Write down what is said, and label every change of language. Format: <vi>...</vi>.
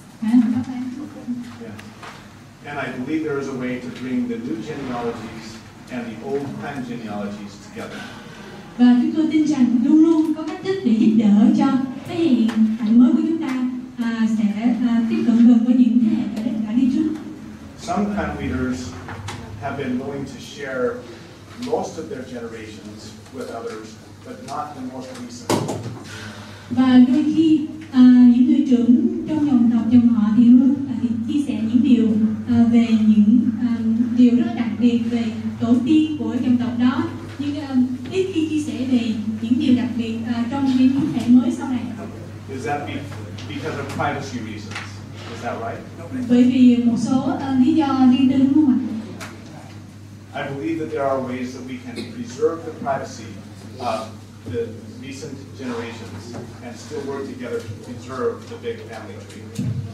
<en>Yeah. And I believe there is a way to bring the new genealogies and the old clan genealogies together.</en> <vi>Và chúng tôi tin rằng luôn luôn có cách thức để giúp đỡ cho thế hệ hạnh mới của chúng ta sẽ tiếp cận gần với những thế hệ đã đi trước.</vi> <en>Some clan leaders have been willing to share most of their generations with others, but not the most recent.</en> <vi>Và đôi khi những người trưởng trong dòng tộc dòng họ thì luôn chia sẻ những điều về những điều rất đặc biệt về tổ tiên của dòng tộc đó, nhưng ít khi chia sẻ về những điều đặc biệt trong những thế hệ mới sau này.</vi> <en>Is that because of privacy reasons? Is that right?</en> <vi>Bởi vì một số lý do riêng tư đúng không ạ?</vi> <en>I believe that there are ways that we can preserve the privacy of the recent generations and still work together to preserve the big family tree.</en>